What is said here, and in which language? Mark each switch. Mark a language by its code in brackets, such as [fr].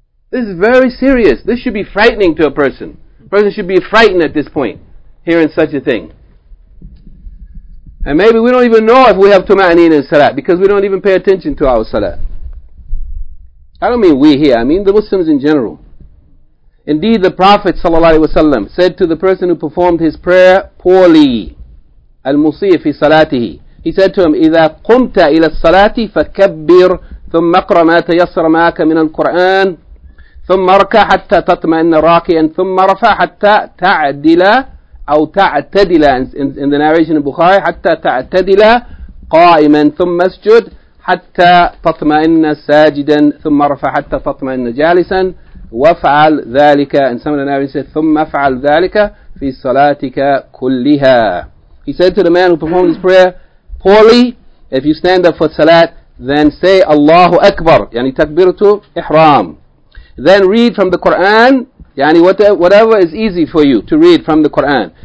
[en] This is very serious. This should be frightening to a person. A person should be frightened at this point, hearing such a thing. And maybe we don't even know if we have tuma'anin in salat, because we don't even pay attention to our salat. I don't mean we here, I mean the Muslims in general. Indeed, the Prophet ﷺ said to the person who performed his prayer poorly, al-musif fi salatihi, he said to him, [ar] إِذَا قُمْتَ إِلَى الصَّلَاةِ فَكَبِّرْ ثُمَّ اقْرَأْ مَا تَيَسَّرَ مَعَكَ مِنَ الْقُرْآنِ ثُمَّ ارْكَعْ حَتَّى تَطْمَئِنَّ رَاكِعًا ثُمَّ ارْفَعْ حَتَّى تَعْدِلَ أَوْ تَعْتَدِلَ [en] in the narration of Bukhari, [ar] حَتَّى تَعْتَدِلَ قَائِمًا ثُمَّ اسْجُدْ حتى تطمئن ساجدا ثم رفع حتى تطمئن جالسا وافعل ذلك. [en] And some of the narrators said, [ar] ثم افعل ذلك في صلاتك كلها. [en] He said to the man who performed his prayer poorly, if you stand up for salat, then say Allahu Akbar, [ar] يعني تكبيرته إحرام. [en] Then read from the Quran, يعني whatever is easy for you to read from the Quran.